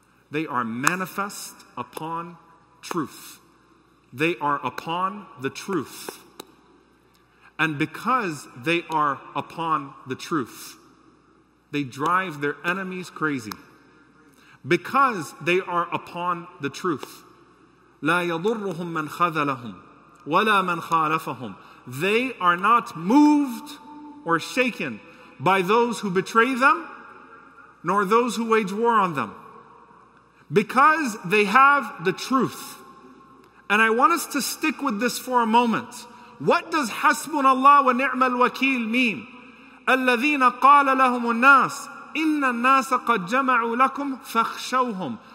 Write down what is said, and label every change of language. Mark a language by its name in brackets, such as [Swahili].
[English] They are manifest upon truth. They are upon the truth. And because they are upon the truth, they drive their enemies crazy. Because they are upon the truth. [Arabic] لا يضرهم من خذلهم ولا من خالفهم. [English] They are not moved or shaken by those who betray them, nor those who wage war on them. Because they have the truth. And I want us to stick with this for a moment. What does hasbunallah wa ni'mal wakeel mean? [Arabic] الَّذِينَ قَالَ لَهُمُ النَّاسِ إِنَّ النَّاسَ قَدْ جَمَعُوا لَكُمْ فَخْشَوْهُمْ.